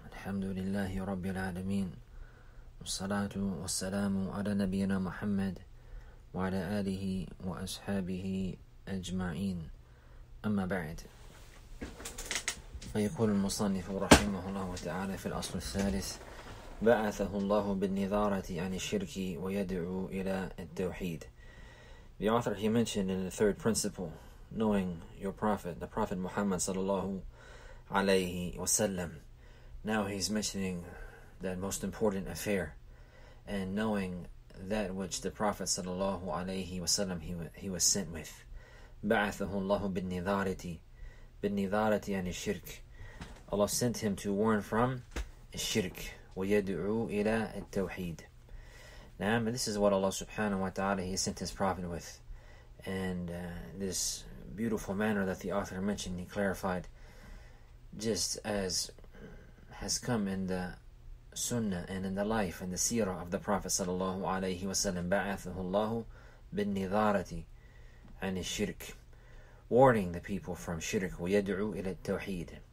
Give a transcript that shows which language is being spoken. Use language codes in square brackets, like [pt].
[ar] الحمد لله رب العالمين، والصلاة والسلام على نبينا محمد وعلى آله وأصحابه أجمعين، أما بعد، فيقول المصنف رحمه الله تعالى في الأصل الثالث: بعثه الله بالنظارة عن الشرك ويدعو إلى التوحيد. [en] The author, he mentioned in the third principle, knowing your prophet, the prophet Muhammad sallallahu alayhi wasallam. Now he's mentioning that most important affair, and knowing that which the prophet sallallahu alayhi wasallam he was sent with. [ar] بعثه الله بالنظارتي بالنظارتي عن الشرك. [en] Allah sent him to warn from الشرك [ar] ويدعو إلى التوحيد. [en] Now, this is what Allah subhanahu wa ta'ala, he sent his prophet with. And this beautiful manner that the author mentioned, he clarified, just as has come in the sunnah and in the life and the seerah of the Prophet sallallahu alayhi wasallam, [ar] ba'athahu Allahu bin nidharati ani shirk, [en] warning the people from shirk, [ar] wa yad'u ila tawheed.